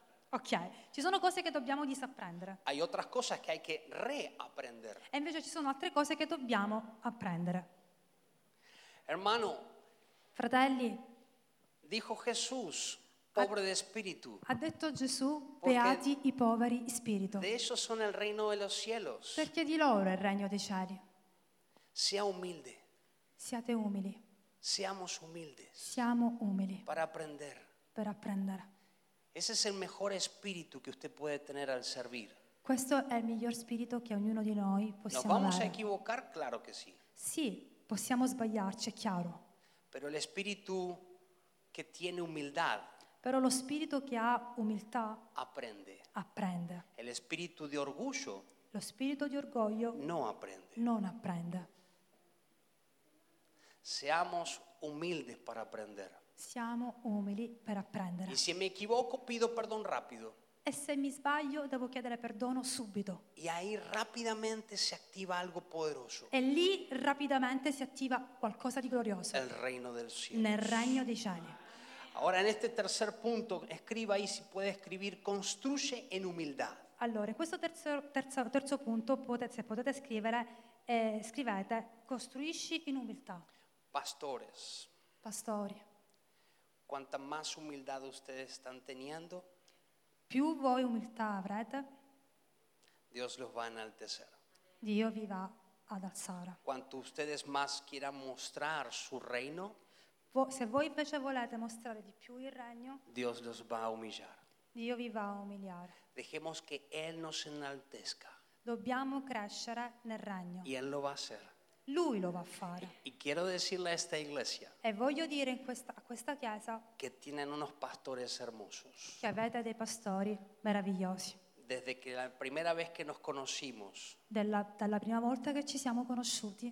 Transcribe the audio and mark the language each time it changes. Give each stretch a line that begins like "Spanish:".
Italian: Ok, ci sono cose che dobbiamo disapprendere.
Spanish: Hay otras cosas que hay que reaprender.
Italian: E invece ci sono altre cose che dobbiamo apprendere.
Spanish: Hermano,
Italian: fratelli,
Spanish: dijo Jesús, pobre de espíritu.
Italian: Ha detto Gesù, beati i poveri in spirito.
Spanish: De esos son el reino de los cielos.
Italian: Perché di loro è il regno dei cieli. Sia umilde. Siate umili.
Spanish: Seamos humildes.
Italian: Siamo umili.
Spanish: Para aprender.
Italian: Per apprendere.
Spanish: Ese es el mejor espíritu que usted puede tener al servir.
Italian: Questo è il miglior spirito che ognuno di noi possiamo avere.
Spanish: Nos vamos a equivocar, claro que sí.
Italian: Sì. Possiamo sbagliarci, è chiaro.
Spanish: Pero el espíritu que tiene humildad.
Italian: Però lo spirito che ha umiltà
Spanish: aprende.
Italian: Apprende.
Spanish: El espíritu de orgullo.
Italian: Lo spirito di orgoglio
Spanish: no aprende.
Italian: Non apprende.
Spanish: Seamos humildes para aprender.
Italian: Siamo umili per apprendere.
Spanish: Y si me equivoco pido perdón rápido.
Italian: E se mi sbaglio devo chiedere perdono subito.
Spanish: Y ahí rápidamente se activa algo poderoso.
Italian: E lì rapidamente si attiva qualcosa di glorioso.
Spanish: El reino del cielo.
Italian: Nel regno dei cieli.
Spanish: Ahora en este tercer punto escriba ahí si puede escribir construye en humildad.
Italian: Allora, questo terzo punto se potete scrivere scrivete costruisci in umiltà.
Spanish: Pastores.
Italian: Pastori.
Spanish: Cuanta más humildad ustedes están teniendo.
Italian: Più voi umiltà avrete,
Spanish: Dios los va a enaltecer.
Italian: Dio vi va ad alzare.
Spanish: Cuanto ustedes más quieran mostrar su reino,
Italian: Se voi invece volete mostrare di più il regno,
Spanish: Dios los va a humillar.
Italian: Dio vi va a umiliare.
Spanish: Dejemos que Él nos enaltezca.
Italian: Dobbiamo crescere nel regno.
Spanish: Y Él lo va a hacer.
Italian: Lui lo va a fare.
Spanish: Y quiero decirle a esta iglesia,
Italian: e voglio dire in questa, a questa chiesa,
Spanish: que tienen unos pastores hermosos.
Italian: Che avete dei pastori meravigliosi.
Spanish: Desde que la primera vez que nos conocimos,
Italian: dalla prima volta che ci siamo conosciuti,